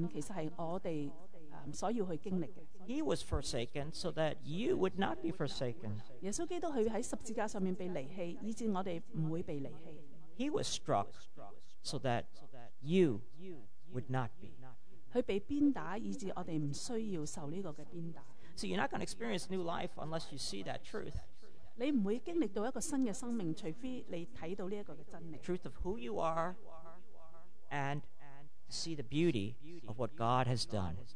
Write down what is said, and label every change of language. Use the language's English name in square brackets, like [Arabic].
[Chinese] 他在十字架上所經歷的那個黑暗，其實是我們所要去經歷的。 [English] He was forsaken so that you would not be forsaken. [Chinese] 耶穌基督在十字架上被離棄，以致我們不會被離棄。 [English] He was struck so that you would not be. [Chinese] 他被鞭打，以致我們不需要受這個鞭打。 [English] So you're not going to experience new life unless you see that truth. [Chinese] 你不會經歷到一個新的生命， 除非你看到這個真理。 [English] Truth of who you are and see the beauty of what God has done.